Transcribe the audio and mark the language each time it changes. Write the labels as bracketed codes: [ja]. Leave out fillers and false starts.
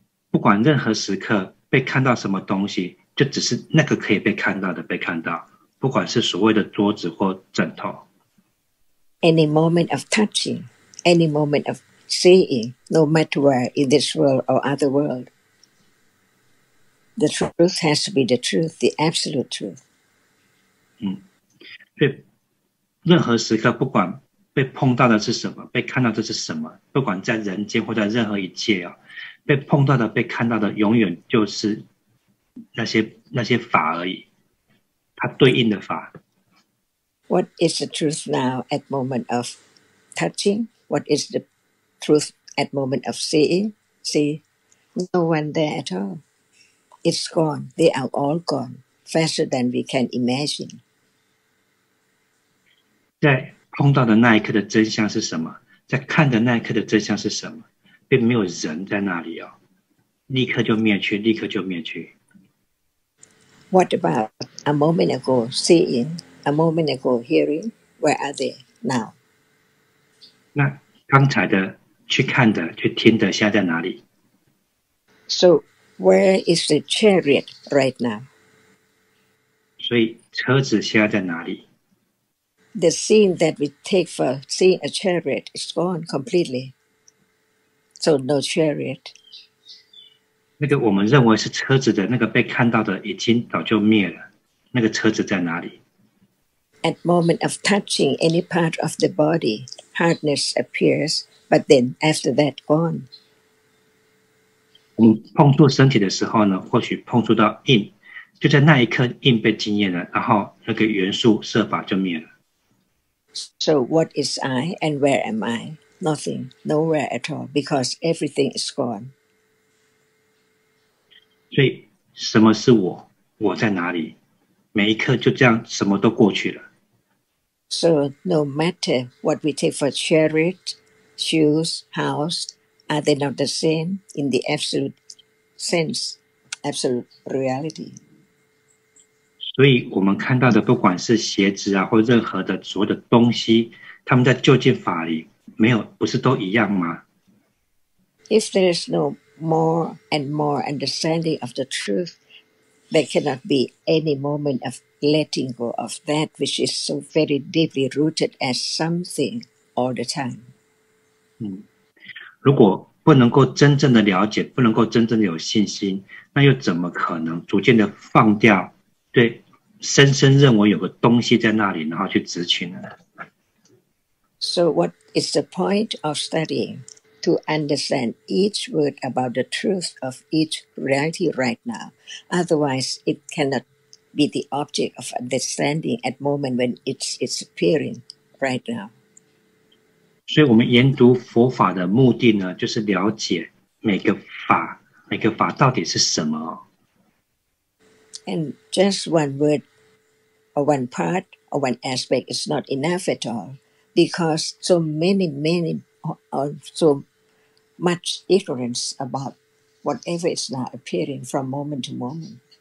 [zh] 不管任何时刻被看到什么东西，就只是那个可以被看到的被看到，不管是所谓的桌子或枕头。 [en] Any moment of touching,Any moment of seeing, no matter where in this world or other world, the truth has to be the truth, the absolute truth. [zh] 嗯，对，任何时刻，不管被碰到的是什么，被看到的是什么，不管在人间或在任何一切啊，被碰到的、被看到的，永远就是那些法而已，它对应的法。 [en] What is the truth now at moment of touching? What is the truth at moment of seeing? See, no one there at all. It's gone. They are all gone faster than we can imagine. [zh] 在碰到的那一刻的真相是什么？在看的那一刻的真相是什么？并没有人在那里哦，立刻就灭去，立刻就灭去。 [en] What about a moment ago seeing, a moment ago hearing? Where are they now? [zh] 那刚才的去看的去听的现在在哪里 [en] So where is the chariot right now? [zh] 所以车子现在在哪里 [en] The scene that we take for seeing a chariot is gone completely. So no chariot. [zh] 那个我们认为是车子的那个被看到的已经早就灭了那个车子在哪里 [en] At moment of touching any part of the bodyHardness appears, but then after that, gone. [zh] 我们碰触身体的时候呢，或许碰触到硬，就在那一刻硬被惊艳了，然后那个元素色法就灭了。 [en] So what is I and where am I? Nothing, nowhere at all, because everything is gone. [zh] 所以什么是我？我在哪里？每一刻就这样，什么都过去了。 [en] So no matter what we take for chariot, shoes, house, are they not the same in the absolute sense, absolute reality? [zh] 所以我们看到的不管是鞋子啊或任何的所有的东西他们在究竟法里没有不是都一样吗 [en] If there is no more and more understanding of the truth, there cannot be any moment ofLetting go of that which is so very deeply rooted as something all the time. [zh] 如果不能够真正的了解，不能够真正的有信心，那又怎么可能逐渐的放掉？对，深深认为有个东西在那里，然后去执取呢 [en] ？So what is the point of studying to understand each word about the truth of each reality right now? Otherwise, it cannot. Be the object of understanding at moment when it's appearing right now. [zh] 所以我们研读佛法的目的呢，就是了解每个法到底是什么。 [en] And just one word or one part or one aspect is not enough at all, because so many, many or so much ignorance about whatever is now appearing from moment to moment.